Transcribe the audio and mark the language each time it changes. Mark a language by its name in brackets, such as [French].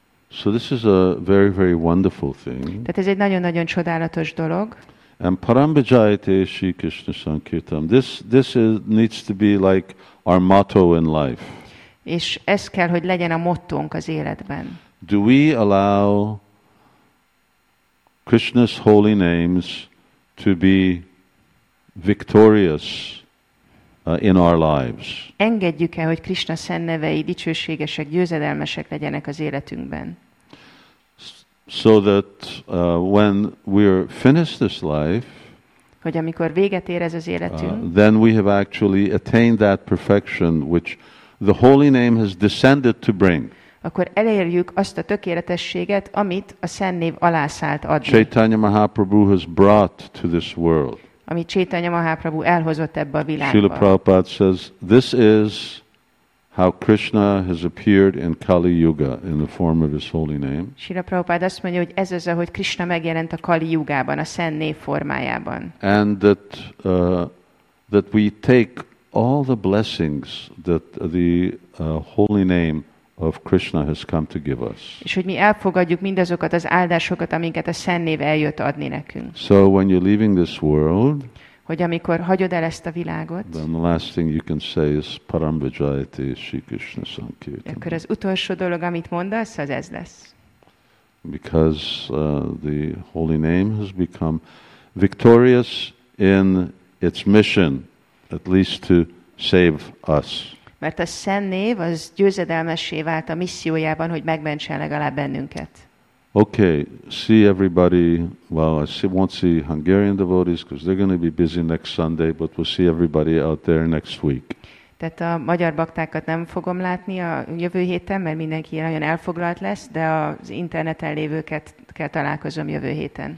[English] So this is a very very wonderful thing. [Hungarian] Tehát ez egy nagyon nagyon csodálatos dolog. [English] And Param Vijayate Shri Krishna Sankirtan. This is needs to be like our motto in life. [Hungarian] És ez kell, hogy legyen a mottónk az életben. [English] Do we allow Krishna's holy names to be victorious in our lives? [Hungarian] Engedjük-e, hogy Krishna szent nevei dicsőségesek, győzedelmesek legyenek az életünkben? [English] So that when we're finished this life, [Hungarian] hogy amikor véget ér ez az életünk, [English] then we have actually attained that perfection which the holy name has descended to bring. [Hungarian] Akkor elérjük azt a tökéletességet, amit a szent név alászállt adni. [English] Chaitanya Mahaprabhu has brought to this world. [Hungarian] Amit Chaitanya Mahaprabhu elhozott ebbe a világba. [English] Srila Prabhupada says, this is how Krishna has appeared in Kali Yuga in the form of his holy name. [Hungarian] Srila Prabhupada azt mondja, hogy ez az, ahogy Krishna megjelent a Kali Yugában, a szent név formájában. [English] And that we take all the blessings that the holy name of Krishna has come to give us. [Hungarian] És hogy mi elfogadjuk mindazokat az áldásokat, amiket a szent név eljött adni nekünk. [English] So when you're leaving this world, [Hungarian] hogy amikor hagyod el ezt a világot, [English] then the last thing you can say is Param Vijayate Shri Krishna Sankirtan. [Hungarian] Akkor az utolsó dolog, amit mondasz, az ez lesz. [English] Because the holy name has become victorious in its mission, at least to save us. [Hungarian] Mert a szent név az győzedelmessé vált a missziójában, hogy megmentsen legalább bennünket. [English] Okay, see everybody. Well, won't see Hungarian devotees because they're going to be busy next Sunday, but we'll see everybody out there next week. [Hungarian] Tehát a magyar baktákat nem fogom látni a jövő héten, mert mindenki nagyon elfoglalt lesz, de az interneten lévőket kell találkozom jövő héten.